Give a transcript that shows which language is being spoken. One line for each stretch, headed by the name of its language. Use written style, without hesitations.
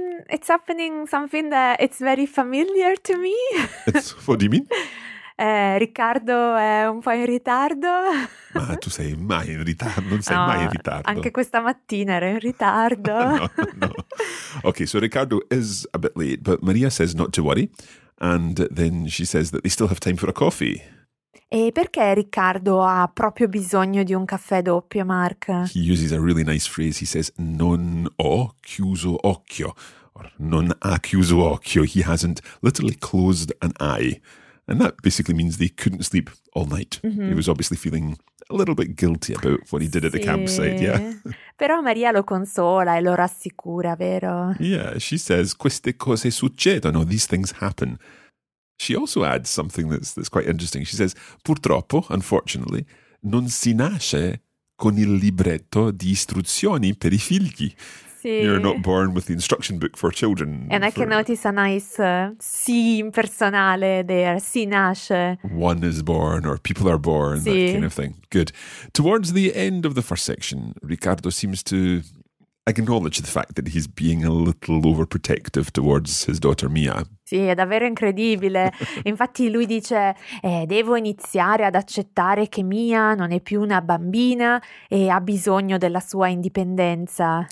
English: It's happening something that it's very familiar to me. What do you mean?
Italian: Riccardo è un po' in ritardo. Ma tu sei mai in ritardo, non sei no, mai in ritardo. Anche questa mattina ero in ritardo. No.
English: Okay, so Riccardo is a bit late, but Maria says not to worry, and then she says that they still have time for a coffee.
Italian: E perché Riccardo ha proprio bisogno di un caffè doppio, Mark?
English: He uses a really nice phrase, he says
Italian: non ho chiuso occhio,
English: or
Italian: non ha chiuso occhio,
English: he hasn't literally closed an eye. And that basically means they couldn't sleep all night. Mm-hmm. He was obviously feeling a little bit guilty about what he did
Italian: sì.
English: at the campsite, yeah.
Italian: Però Maria lo consola e lo rassicura, vero?
English: Yeah, she says,
Italian: queste cose succedono,
English: these things happen. She also adds something that's quite interesting. She says,
Italian: purtroppo,
English: unfortunately,
Italian: non si nasce con il libretto di istruzioni per i figli. Sì.
English: You're not born with the instruction book for children. And for... I can notice a nice
Italian: sì impersonale
English: there.
Italian: Sì nasce.
English: One is born or people are born, sì. That kind of thing. Good. Towards the end of the first section, Ricardo seems to acknowledge the fact that he's being a little overprotective towards his daughter Mia.
Italian: Sì, è davvero incredibile. Infatti lui dice, devo iniziare ad accettare che Mia non è più una bambina e ha bisogno della sua indipendenza.